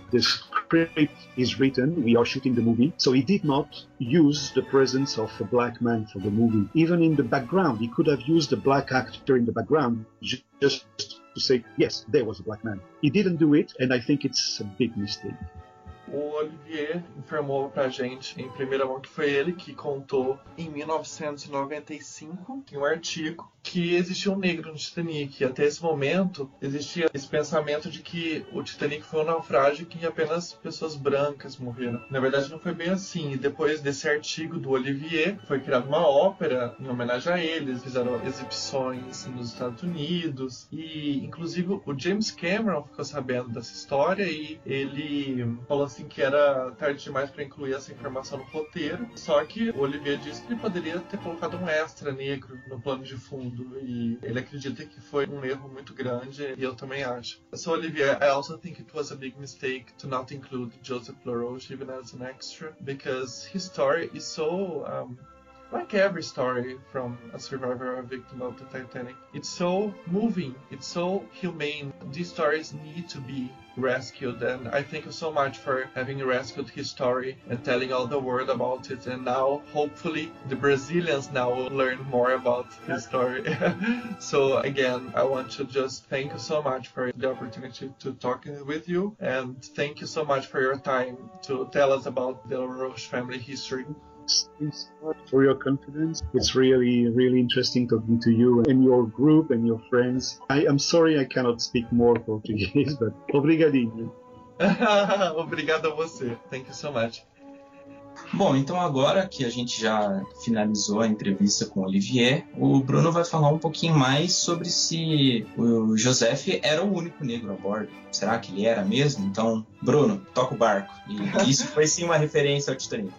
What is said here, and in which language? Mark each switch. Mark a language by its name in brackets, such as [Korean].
[English] The script is written. We are shooting the movie. So he did not use the presence of a black man for the movie. Even in the background, he could have used a black actor in the background just to say, yes, there was a black man. He didn't do it, and I think it's a big mistake. [Portuguese] O Olivier informou pra gente em primeira mão que foi ele que contou em 1995 em um artigo que existia um negro no Titanic. E até esse momento existia esse pensamento de que o Titanic foi um naufrágio e que apenas pessoas brancas morreram. Na verdade não foi bem assim. E depois desse artigo do Olivier foi criada uma ópera em homenagem a eles. Fizeram exibições nos Estados Unidos. E inclusive o James Cameron ficou sabendo dessa história e ele falou assim que era tarde demais para incluir essa informação no roteiro. Só que o Olivier disse que ele poderia ter colocado um extra negro no plano de fundo. E ele acredita que foi um erro muito grande, e eu também acho. [English] So, Olivier, I also think it was a big mistake to not include Joseph LaRouche even as an extra, because his story is so, like every story from a survivor or a victim of the Titanic, it's so moving, it's so humane. These stories need to be rescued, and I thank you so much for having rescued his story and telling all the world about it. And now, hopefully, the Brazilians now will learn more about his story. So again, I want to just thank you so much for the opportunity to talk with you, and thank you so much for your time to tell us about the LaRouche family history. Thanks a lot for your confidence. It's really, really interesting talking to you and your group and your friends. I'm sorry I cannot speak more Portuguese, but obrigadinho. [Portuguese] Obrigado a você. [English] Thank you so much. [Portuguese] Bom, então agora que a gente já finalizou a entrevista com o Olivier, o Bruno vai falar um pouquinho mais sobre se o Joseph era o único negro a bordo. Será que ele era mesmo? Então, Bruno, toca o barco. E isso foi sim uma referência ao Titanic.